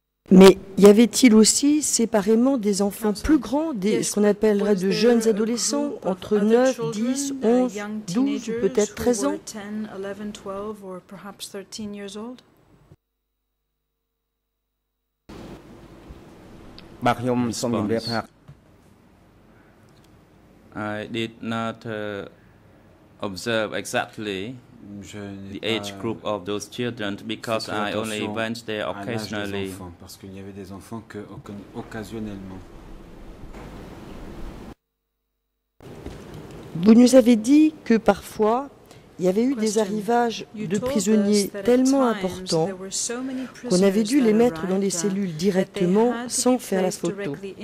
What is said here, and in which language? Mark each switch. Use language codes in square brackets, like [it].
[fr] Mais y avait-il aussi séparément des enfants plus grands, ce qu'on appellerait de jeunes adolescents, entre 9, 10, 11, 12 ou peut-être 13 ans? [en] I did not observe exactly the age group of those children because I only went there occasionally. [fr] Parce qu'il n'y avait des enfants que occasionnellement. Vous nous avez dit que parfois il y avait eu des arrivages de prisonniers tellement importants qu'on avait dû les mettre dans les cellules directement sans faire la photo.